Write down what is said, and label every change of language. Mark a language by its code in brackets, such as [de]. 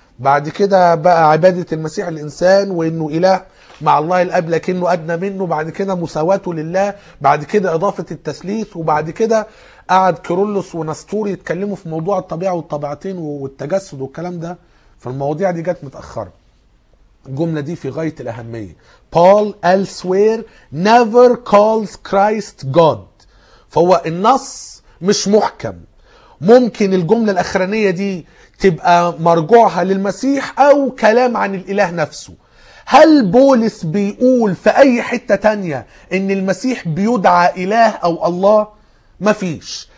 [ar] بعد كده بقى عبادة المسيح الإنسان وأنه إله مع الله الأب لكنه أدنى منه، بعد كده مساواته لله، بعد كده إضافة التثليث، وبعد كده قعد كيرلس ونستور يتكلموا في موضوع الطبيعة والطبيعتين والتجسد والكلام ده. فالمواضيع دي جت متأخرة. الجملة دي في غاية الأهمية. [en] Paul elsewhere never calls Christ God. [ar] فهو النص مش محكم. ممكن الجملة الأخرانية دي تبقى مرجوعها للمسيح أو كلام عن الإله نفسه. هل بولس بيقول في أي حتة تانية إن المسيح بيدعى إله أو الله؟ مفيش.